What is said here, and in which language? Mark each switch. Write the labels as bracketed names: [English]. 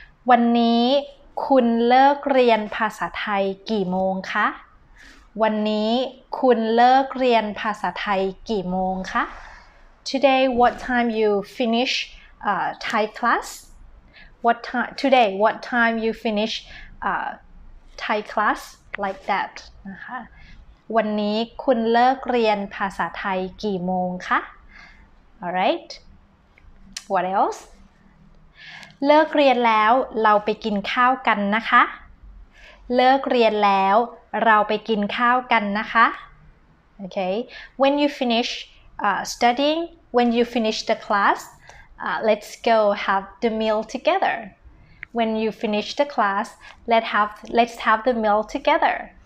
[Thai] วันนี้คุณเลิกเรียนภาษาไทยกี่โมงคะวันนี้คุณเลิกเรียนภาษาไทยกี่โมงคะ [English] today what time you finish Thai classWhat time today? What time you finish Thai class like that? [Thai] นะคะ วันนี้คุณเลิกเรียนภาษาไทยกี่โมงคะ [English] Alright. What else? [Thai] เลิกเรียนแล้วเราไปกินข้าวกันนะคะ เลิกเรียนแล้วเราไปกินข้าวกันนะคะ Okay. [English] When you finish studying, when you finish the class. Let's go have the meal together. When you finish the class, let's have the meal together.